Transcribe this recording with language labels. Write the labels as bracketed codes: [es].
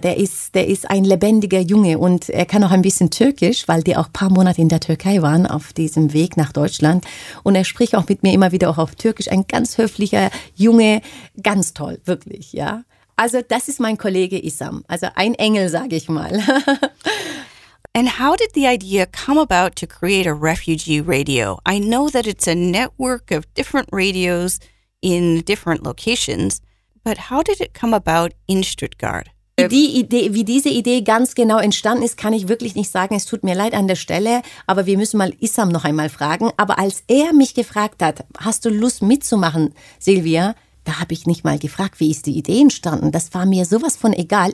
[de] Der ist ein lebendiger Junge und er kann auch ein bisschen Türkisch, weil die auch ein paar Monate in der Türkei waren auf diesem Weg nach Deutschland. Und er spricht auch mit mir immer wieder auch auf Türkisch. Ein ganz höflicher Junge, ganz toll, wirklich, ja. Also das ist mein Kollege Issam, also ein Engel, sage ich mal. [en] And how did the idea come about to create a refugee radio? I know that it's a network of different radios in different locations, but how did it come about in Stuttgart? [de] Wie diese Idee ganz genau entstanden ist, kann ich wirklich nicht sagen. Es tut mir leid an der Stelle, aber wir müssen mal Issam noch einmal fragen. Aber als er mich gefragt hat, hast du Lust mitzumachen, Silvia? Da habe ich nicht mal gefragt, wie ist die Idee entstanden. Das war mir sowas von egal.